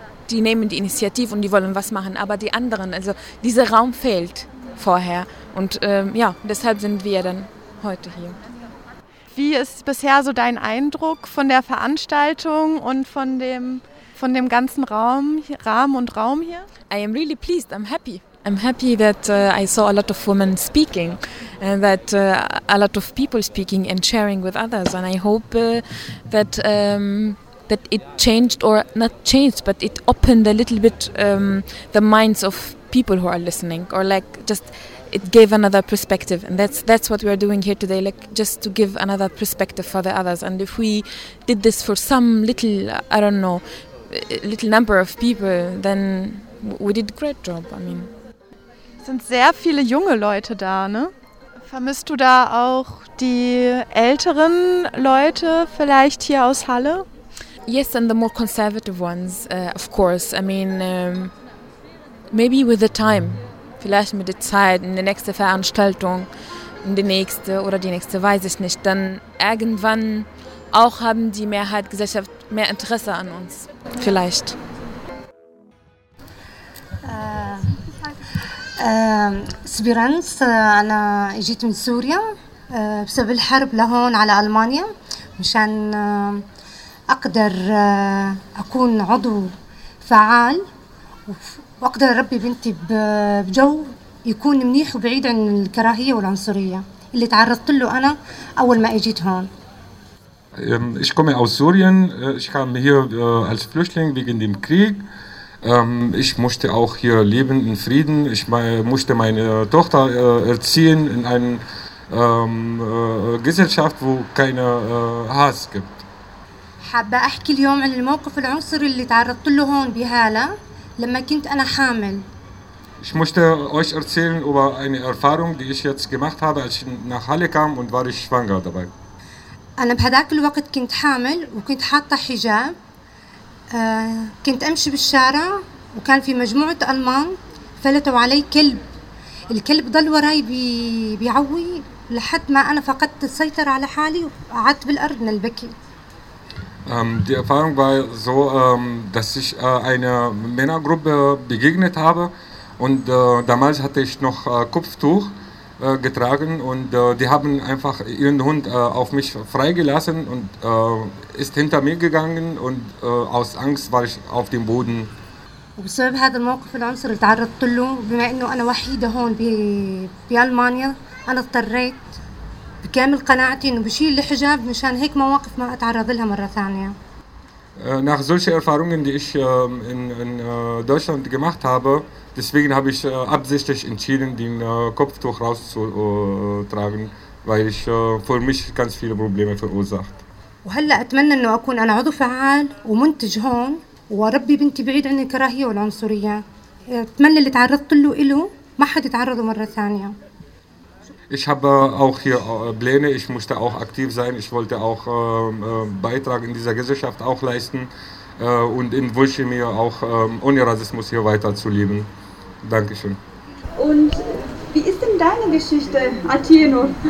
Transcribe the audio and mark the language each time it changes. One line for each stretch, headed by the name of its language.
German: Die nehmen die Initiative und die wollen was machen, aber die anderen, also dieser Raum fehlt vorher. Und deshalb sind wir dann heute hier. Wie ist bisher so dein Eindruck von der Veranstaltung und von dem ganzen Raum hier?
English: I am really pleased, I'm happy. I'm happy that I saw a lot of women speaking and that a lot of people speaking and sharing with others. And I hope that it changed, or not changed, but it opened a little bit the minds of people who are listening, or like just it gave another perspective. And that's what we are doing here today, like just to give another perspective for the others. And if we did this for some little, I don't know, little number of people, then we did a great job. I mean,
German: sind sehr viele junge Leute da, ne? Vermisst du da auch die älteren Leute vielleicht hier aus Halle?
English: Yes, and the more conservative ones, of course. I mean, maybe with the time,
German: vielleicht mit der Zeit, in der nächsten Veranstaltung, in der nächste oder die nächste, weiß ich nicht. Dann irgendwann auch haben die Mehrheit Gesellschaft mehr Interesse an uns, vielleicht.
Arabic: سبيرانس انا جيت من سوريا بسبب الحرب لهون على المانيا مشان اقدر اكون عضو فعال واقدر اربي بنتي بجو يكون منيح وبعيد عن الكراهيه والعنصريه اللي تعرضت له انا اول ما اجيت هون.
German: Ich komme aus Syrien. Ich kam hier als Flüchtling wegen dem Krieg. Ich musste auch hier leben in Frieden. Ich musste meine Tochter erziehen in einer Gesellschaft, wo keine Hass gibt.
Arabic: حابة أحكي اليوم عن الموقف العنصري اللي تعرضت له هون بهالة لما كنت أنا حامل.
German: Ich möchte euch erzählen über eine Erfahrung, die ich jetzt gemacht habe, als ich nach Halle kam und war ich schwanger dabei.
Arabic: أنا بهذاك الوقت كنت حامل وكنت حاطة حجاب. كنت أمشي بالشارع وكان في مجموعة ألمان فلتوا علي كلب. الكلب ضل وراي بيعوي لحد ما أنا فقدت السيطرة على حالي وقعدت بالأرض من البكي.
German: Die Erfahrung war so, dass ich einer Männergruppe begegnet habe und damals hatte ich noch Kopftuch getragen und die haben einfach ihren Hund auf mich freigelassen und ist hinter mir gegangen und aus Angst war ich auf dem Boden.
Arabic: وبسبب هذا الموقف العنصري تعرضت له بما انه انا وحيدة هون بألمانيا انا اضطريت بكامل قناعتي انه بشيل الحجاب مشان هيك مواقف ما اتعرض لها مره ثانيه.
German: Nach solchen Erfahrungen, die ich in Deutschland gemacht habe, deswegen habe ich absichtlich entschieden, den Kopftuch rauszutragen, weil ich für mich ganz viele Probleme verursacht.
Arabic: وهلا اتمنى انه اكون انا عضو فعال ومنتج هون واربي بنتي بعيد عن الكراهيه والعنصريه. اتمنى اللي تعرضت له اله ما حد يتعرضه مره ثانيه.
German: Ich habe auch hier Pläne, ich musste auch aktiv sein, ich wollte auch Beitrag in dieser Gesellschaft auch leisten und in Vulcimir auch ohne Rassismus hier weiterzuleben. Dankeschön. Und wie ist denn deine Geschichte, Atieno?